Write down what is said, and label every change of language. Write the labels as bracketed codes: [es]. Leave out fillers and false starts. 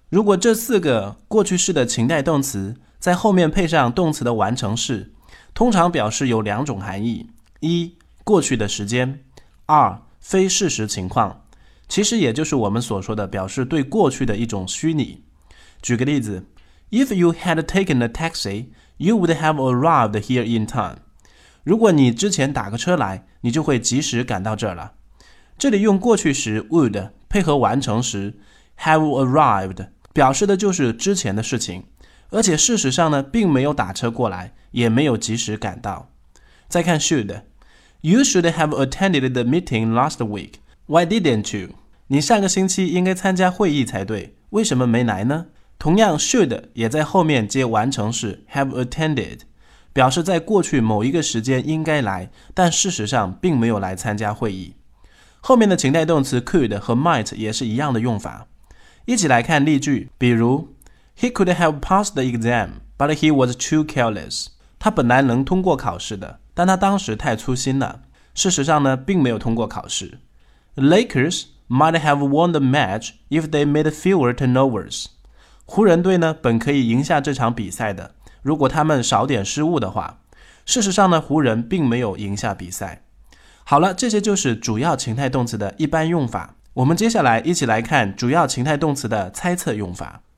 [zh] 如果这四个过去式的情态动词在后面配上动词的完成式，通常表示有两种含义：一、过去的时间；二、非事实情况，其实也就是我们所说的表示对过去的一种虚拟。举个例子， [en] If you had taken a taxi, you would have arrived here in time. [zh] 如果你之前打个车来，你就会及时赶到这儿了。这里用过去时 would 配合完成时 have arrived， 表示的就是之前的事情，而且事实上呢，并没有打车过来，也没有及时赶到。再看 [en] should， You should have attended the meeting last week. Why didn't you? [zh] 你上个星期应该参加会议才对，为什么没来呢？同样 should 也在后面接完成式 have attended， 表示在过去某一个时间应该来，但事实上并没有来参加会议。后面的情态动词 could 和 might 也是一样的用法。一起来看例句，比如 [en] He could have passed the exam, but he was too careless. [zh] 他本来能通过考试的，但他当时太粗心了，事实上呢并没有通过考试。 [en] Lakers might have won the match if they made fewer turnovers. [zh] 湖人队呢本可以赢下这场比赛的，如果他们少点失误的话。事实上呢，湖人并没有赢下比赛。好了，这些就是主要情态动词的一般用法。我们接下来一起来看主要情态动词的猜测用法。